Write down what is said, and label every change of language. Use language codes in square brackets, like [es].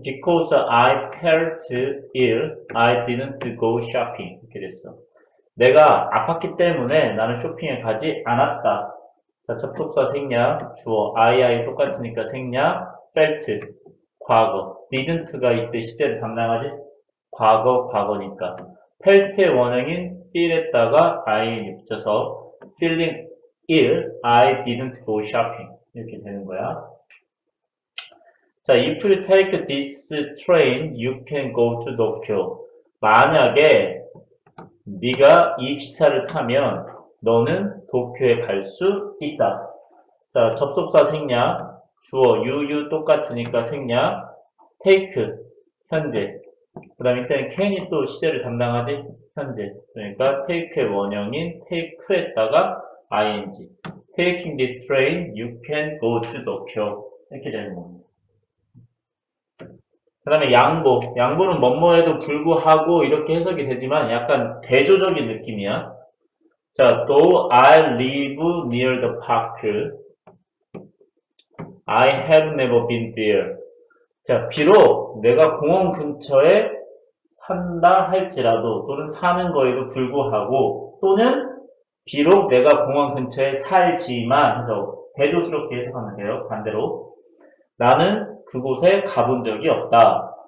[en] Because I felt ill, I didn't go shopping. [ko] 이렇게 됐어. 내가 아팠기 때문에 나는 쇼핑에 가지 않았다. 자, 접속사 생략. 주어. I 똑같으니까 생략. felt. 과거. didn't가 이때 시제를 담당하지? 과거니까. [en] felt의 [ko] 원형인 [en] feel [ko] 했다가 [en] ing [ko] 붙여서 [en] feeling ill, I didn't go shopping. [ko] 이렇게 되는 거야. [en] 자, if you take this train, you can go to Tokyo. [ko] 만약에 네가 이 기차를 타면 너는 도쿄에 갈수 있다. 자, 접속사 생략. 주어, you 똑같으니까 생략. take, 현재. 그 다음에 일단 can이 또 시제를 담당하지? 현재. 그러니까 take의 원형인 take에다가 ing. [en] taking this train, you can go to Tokyo. [ko] 이렇게 되는 겁니다. 그 다음에 양보. 양보는 뭐뭐해도 불구하고 이렇게 해석이 되지만 약간 대조적인 느낌이야. [en] 자, though I live near the park, I have never been there. [ko] 자, 비록 내가 공원 근처에 산다 할지라도 또는 사는 거에도 불구하고 또는 비록 내가 공원 근처에 살지만 해서 대조스럽게 해석하면 돼요. 반대로. 나는 그곳에 가본 적이 없다.